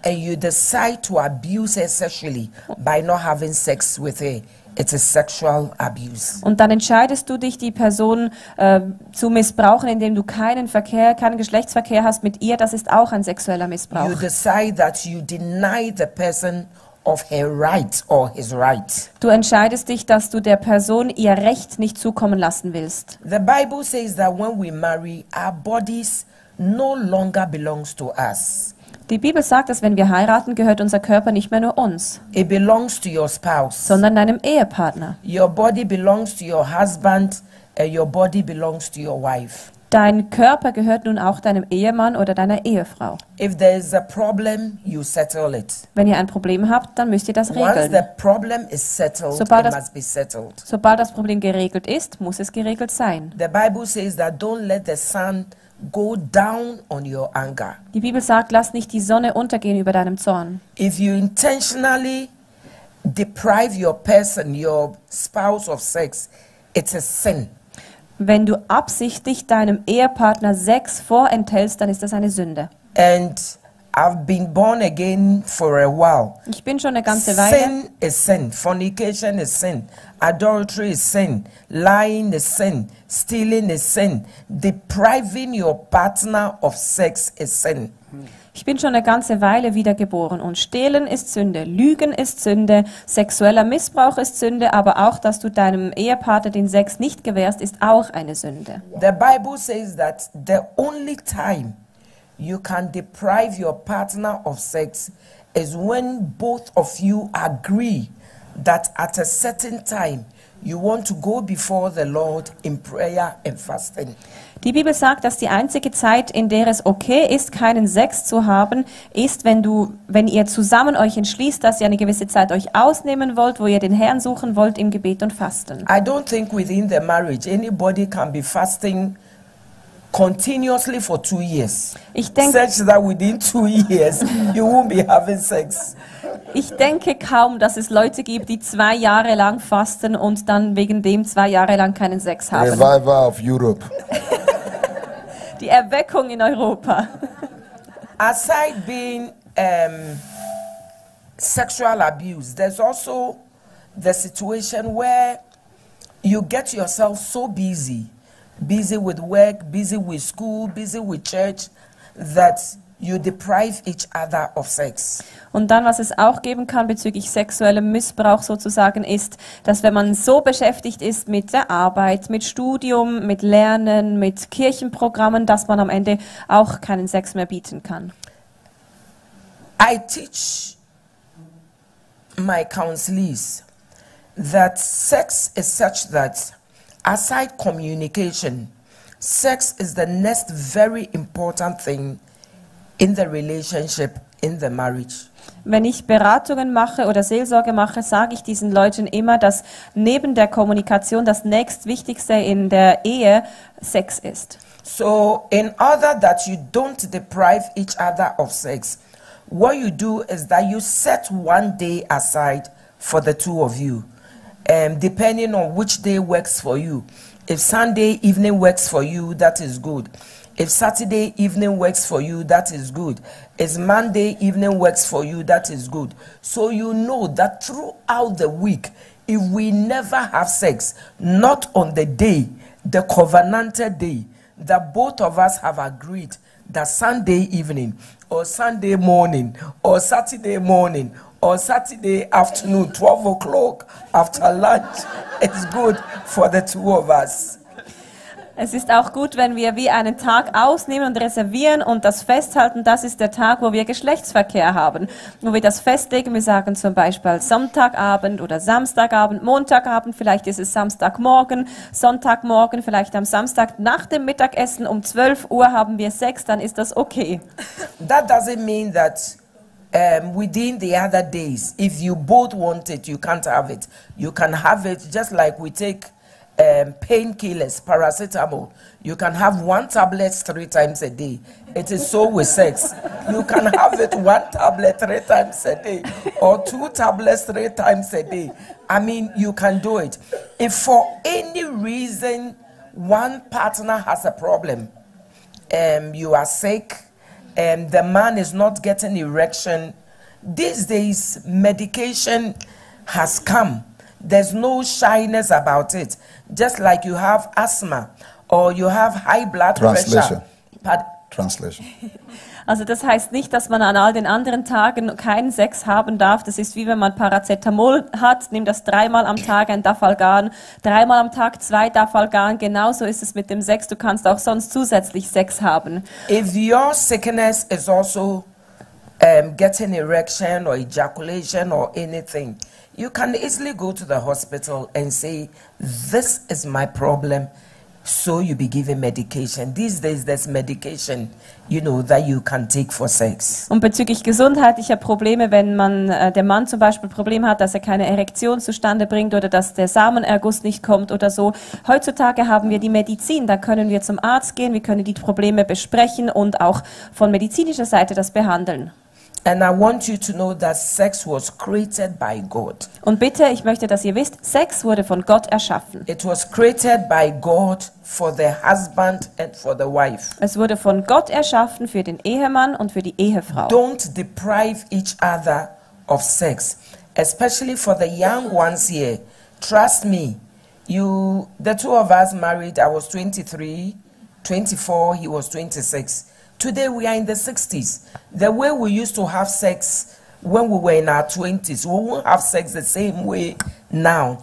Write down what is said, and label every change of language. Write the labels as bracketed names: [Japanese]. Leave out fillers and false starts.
[English] And you decide to abuse her sexually by not having sex with her. It's a sexual abuse. [German] Und dann entscheidest du dich, die Person zu missbrauchen, indem du keinen Verkehr, keinen Geschlechtsverkehr hast mit ihr. Das ist auch ein sexueller Missbrauch. [English] You decide that you deny the person of her right or his right. [German] Du entscheidest dich, dass du der Person ihr Recht nicht zukommen lassen willst. [English] The Bible says that when we marry, our bodies no longer belongs to us. [German] Die Bibel sagt, dass wenn wir heiraten, gehört unser Körper nicht mehr nur uns, [English] it belongs to your spouse, [German] sondern deinem Ehepartner. [English] Your body belongs to your husband, and your body belongs to your wife. [German] Dein Körper gehört nun auch deinem Ehemann oder deiner Ehefrau. [English] If there is a problem, you settle it. [German] Wenn ihr ein Problem habt, dann müsst ihr das regeln. [English] Once the problem is settled, it must be settled. [German] Sobald das Problem geregelt ist, muss es geregelt sein. [English] The Bible says that don't let the sun go down on your anger. [German] Die Bibel sagt, lass nicht die Sonne untergehen über deinem Zorn. [English] If you intentionally deprive your person, your spouse of sex, it's a sin. [German] Wenn du absichtlich deinem Ehepartner Sex vorenthältst, dann ist das eine Sünde. [English] And I've been born again for a while. [German] Ich bin schon eine ganze Weile. [English] Sin is sin. Fornication is sin. Adultery is sin. Lying is sin. Stealing is sin. Depriving your partner of sex is sin. [German] Ich bin schon eine ganze Weile wiedergeboren und Stehlen ist Sünde, Lügen ist Sünde, sexueller Missbrauch ist Sünde, aber auch, dass du deinem Ehepartner den Sex nicht gewährst, ist auch eine Sünde. [English] The Bible says that the only time you can deprive your partner of sex is when both of you agree that at a certain time you want to go before the Lord in prayer and fasting. [German] Die Bibel sagt, dass die einzige Zeit, in der es okay ist, keinen Sex zu haben, ist, wenn ihr zusammen euch entschließt, dass ihr eine gewisse Zeit euch ausnehmen wollt, wo ihr den Herrn suchen wollt im Gebet und Fasten. [English] I don't think within the marriage anybody can be fasting continuously for 2 years. [German] Ich denke, [English] such that within 2 years you won't be having sex. [German] Ich denke kaum, dass es Leute gibt, die 2 Jahre lang fasten und dann wegen dem 2 Jahre lang keinen Sex haben. [English] Revival of Europe. [German] Die Erweckung in Europa. [English] Aside being sexual abuse, there's also the situation where you get yourself so busy, busy with work, busy with school, busy with church, that you deprive each other of sex. [German] Und dann, was es auch geben kann bezüglich sexuellem Missbrauch sozusagen, ist, dass wenn man so beschäftigt ist mit der Arbeit, mit Studium, mit Lernen, mit Kirchenprogrammen, dass man am Ende auch keinen Sex mehr bieten kann. [English] I teach my counselees that sex is such that aside communication, sex is the next very important thing in the relationship, in the marriage. [German] Wenn ich Beratungen mache oder Seelsorge mache, sage ich diesen Leuten immer, dass neben der Kommunikation das nächstwichtigste in der Ehe Sex ist. [English] So in order that you don't deprive each other of sex, what you do is that you set one day aside for the two of you. Depending on which day works for you. If Sunday evening works for you, that is good. If Saturday evening works for you, that is good. If Monday evening works for you, that is good. So you know that throughout the week, if we never have sex, not on the day, the covenanted day, that both of us have agreed that Sunday evening or Sunday morning or Saturday morning or Saturday afternoon, 12 o'clock after lunch, it's good for the two of us. [German] Es ist auch gut, wenn wir wie einen Tag ausnehmen und reservieren und das festhalten, das ist der Tag, wo wir Geschlechtsverkehr haben. Wo wir das festlegen, wir sagen zum Beispiel Sonntagabend oder Samstagabend, Montagabend, vielleicht ist es Samstagmorgen, Sonntagmorgen, vielleicht am Samstag nach dem Mittagessen um 12 Uhr haben wir Sex, dann ist das okay. [English] That doesn't mean that within the other days, if you both want it, you can't have it. You can have it just like we take painkillers, paracetamol. You can have one tablet 3 times a day. It is so with sex. You can have it one tablet 3 times a day or 2 tablets 3 times a day. I mean, you can do it. If for any reason one partner has a problem, you are sick, the man is not getting erection, these days medication has come. There's no shyness about it. Just like you have asthma or you have high blood pressure. Translation. [German] Also das heißt nicht, dass man an all den anderen Tagen keinen Sex haben darf. Das ist wie wenn man Paracetamol hat, nimm das 3-mal am Tag, 1 Dafalgan. 3-mal am Tag, 2 Dafalgan. Genauso ist es mit dem Sex. Du kannst auch sonst zusätzlich Sex haben. [English] If your sickness is also getting erection or ejaculation or anything, you can easily go to the hospital and say, this is my problem, so you be given medication. These days there's medication, you know, that you can take for sex. [German] Und bezüglich gesundheitlicher Probleme, wenn man der Mann zum Beispiel Problem hat, dass er keine Erektion zustande bringt oder dass der Samenerguss nicht kommt oder so, heutzutage haben wir die Medizin, da können wir zum Arzt gehen, wir können die Probleme besprechen und auch von medizinischer Seite das behandeln. [English] And I want you to know that sex was created by God. [German] Und bitte, ich möchte, dass ihr wisst, Sex wurde von Gott erschaffen. [English] It was created by God for the husband and for the wife. [German] Es wurde von Gott erschaffen für den Ehemann und für die Ehefrau. [English] Don't deprive each other of sex, especially for the young ones here. Trust me, the two of us married, I was 23, 24, he was 26. Today we are in the 60s. The way we used to have sex when we were in our 20s, we won't have sex the same way now.